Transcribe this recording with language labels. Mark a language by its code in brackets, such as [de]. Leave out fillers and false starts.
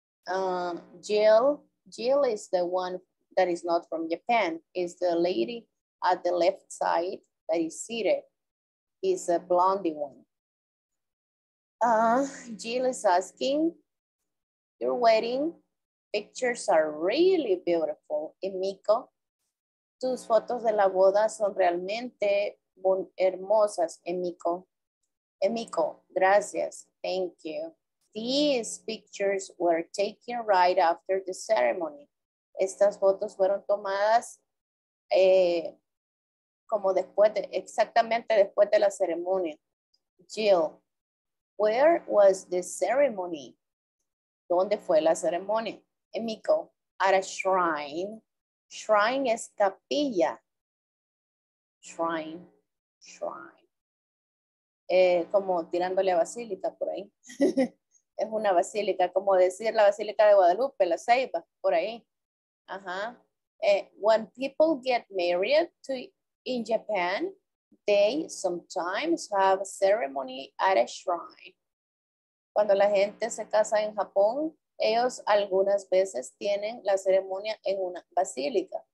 [en] Jill is the one that is not from Japan. Is the lady at the left side that is seated. Is a blonde one. Jill is asking, your wedding pictures are really beautiful. [es] Y Miko, tus fotos de la boda son realmente hermosas, Emiko. [en] Emiko, [es] gracias. [en] Thank you. These pictures were taken right after the ceremony. [es] Estas fotos fueron tomadas como después de, exactamente después de la ceremonia. [en] Jill, where was the ceremony? [es] ¿Dónde fue la ceremonia? Emiko, [en] at a shrine. [es] Shrine es capilla. Shrine. Shrine. Como tirándole a basílica por ahí. Es una basílica, como decir la basílica de Guadalupe, la Ceiba, por ahí. Ajá. [en] When people get married in Japan, they sometimes have a ceremony at a shrine. [es] Cuando la gente se casa en Japón, ellos algunas veces tienen la ceremonia en una basílica.